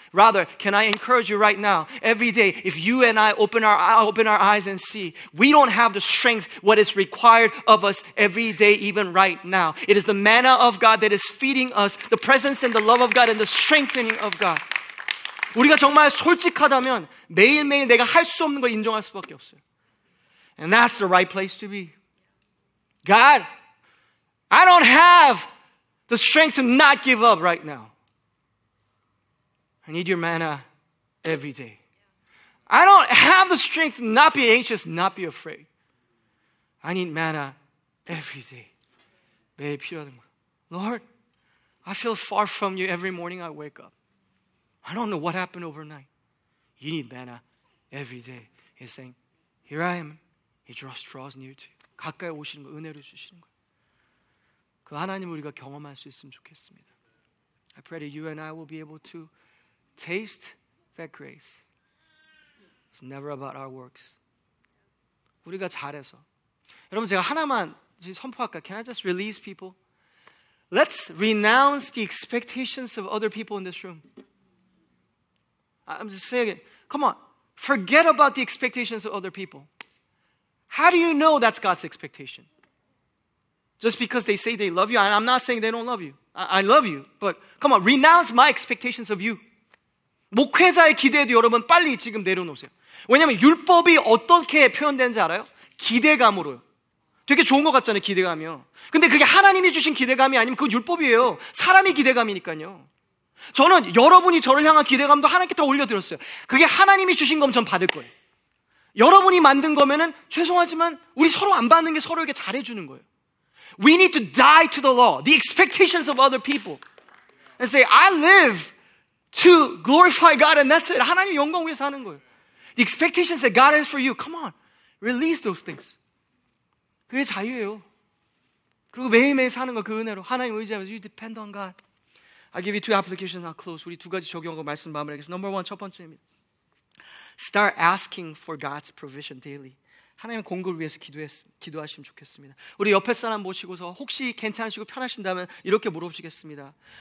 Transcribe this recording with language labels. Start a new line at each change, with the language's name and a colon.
English: Rather, can I encourage you right now, every day, if you and I open our eyes and see, we don't have the strength what is required of us every day, even right now. It is the manna of God that is feeding us, the presence and the love of God and the strengthening of God.
Korean: 우리가 정말 솔직하다면 매일매일 내가 할 수 없는 걸 인정할 수밖에 없어요.
English: And that's the right place to be. God, I don't have the strength to not give up right now. I need your manna every day. I don't have the strength to not be anxious, not be afraid. I need manna every day.
Korean: 매일 필요하던 거.
English: Lord, I feel far from you every morning I wake up. I don't know what happened overnight. You need manna every day. He's saying, here I am. He draws near to you.
Korean: 가까이 오시는 거, 은혜를 주시는 거. 그 하나님 우리가 경험할 수 있으면 좋겠습니다.
English: I pray that you and I will be able to taste that grace. It's never about our works.
Korean: 우리가 잘해서. 여러분 제가 하나만 선포할까?
English: Can I just release people? Let's renounce the expectations of other people in this room. I'm just saying it. Come on. Forget about the expectations of other people. How do you know that's God's expectation? Just because they say they love you, I'm not saying they don't love you. I love you, but come on, renounce my expectations of you.
Korean: 목회자의 기대도 여러분 빨리 지금 내려놓으세요. 왜냐하면 율법이 어떻게 표현되는지 알아요? 기대감으로요. 되게 좋은 것 같잖아요, 기대감이요. 근데 그게 하나님이 주신 기대감이 아니면 그건 율법이에요. 사람이 기대감이니까요. 저는 여러분이 저를 향한 기대감도 하나님께 다 올려드렸어요. 그게 하나님이 주신 거면 전 받을 거예요. 여러분이 만든 거면은 죄송하지만 우리 서로 안 받는 게 서로에게 잘해주는 거예요.
English: We need to die to the law, the expectations of other people. And say, I live to glorify God and that's it.
Korean: 하나님 영광 위해서 하는 거예요.
English: The expectations that God has for you, come on, release those things.
Korean: 그게 자유예요. 그리고 매일매일 사는 거, 그 은혜로. 하나님 의지하면서,
English: you depend on God. I'll give you two applications, I'll close.
Korean: 우리 두 가지 적용하고 말씀 마무리하겠습니다.
English: Number one,
Korean: 첫 번째입니다.
English: Start asking for God's provision daily.
Korean: 하나님의 공급을 위해서 기도하시면 좋겠습니다. 우리 옆에 사람 모시고서 혹시 괜찮으시고 편하신다면 이렇게 물어보시겠습니다.